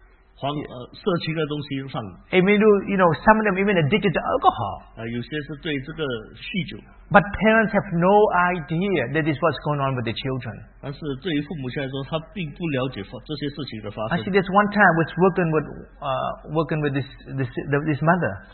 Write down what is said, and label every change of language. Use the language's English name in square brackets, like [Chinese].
[Chinese] 有些对这个色情的东西上瘾。 [English] Even though, you know, some of them even addicted to alcohol. [Chinese] 有些是对这个酗酒。 [English] But parents have no idea that this is what's going on with the children. [Chinese] 但是对于父母亲来说，他并不了解这些事情的发生。 [English] Actually, there's one time I was working with this mother.